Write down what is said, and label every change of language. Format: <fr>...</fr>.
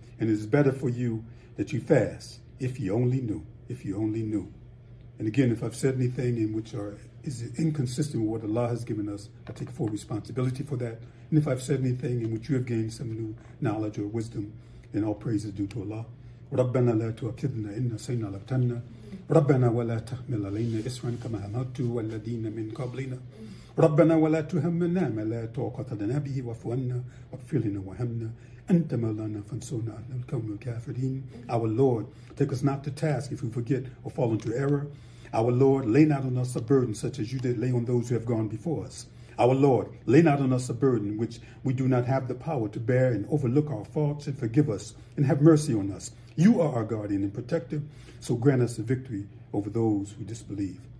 <en>and it is better for you that you fast, if you only knew, if you only knew. And again, if I've said anything in which is inconsistent with what Allah has given us, I take full responsibility for that. And if I've said anything in which you have gained some new knowledge or wisdom, then all praise is due to Allah.</en> <ar>ربنا لا تؤاخذنا إن نسينا أو أخطأنا ربنا ولا تحمل علينا إصرا كما حملت والذين من قبلنا ربنا ولا تهمنا ما لا طاقة لنا به واعف عنا واغفر لنا وارحمنا أنت مولانا فانصرنا على القوم الكافرين.</ar> <en>Our Lord, take us not to task if we forget or fall into error. Our Lord, lay not on us a burden such as you did lay on those who have gone before us. Our Lord, lay not on us a burden which we do not have the power to bear, and overlook our faults and forgive us and have mercy on us. You are our guardian and protector, so grant us the victory over those who disbelieve.</en>